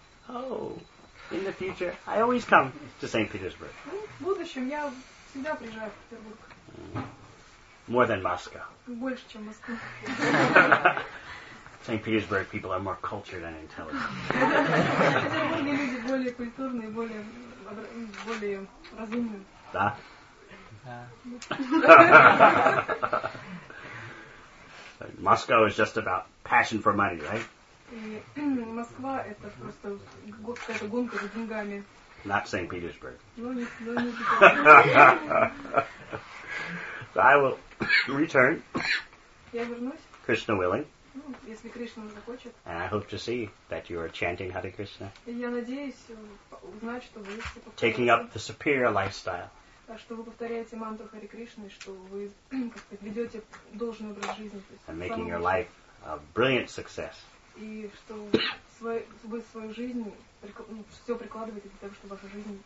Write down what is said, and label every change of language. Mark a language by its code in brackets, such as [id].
[en] Oh, in the future, I always come to St. Petersburg. [ru] В будущем я всегда приезжаю в Петербург. [en] More than Moscow. [ru] Больше, чем Москва. [en] St. Petersburg people are more cultured and intelligent. [ru] В Петербурге люди более культурные, более разумные. Да? Да. [en] Moscow is just about passion for money, right? [ru] Москва – это просто какая-то гонка за деньгами. [en] Not St. Petersburg. So I will return. [ru] Я вернусь. [en] Krishna willing. [ru] Ну, если Кришна захочет. [en] And I hope to see that you are chanting Hare Krishna. [ru] И я надеюсь узнать, что вы [en] taking up the superior lifestyle. [ru] Что вы повторяете мантру Харе Кришны, что вы ведете должный образ жизни. [en] And making your life a brilliant success. [ru] И что вы свою жизнь все прикладываете для того, чтобы ваша жизнь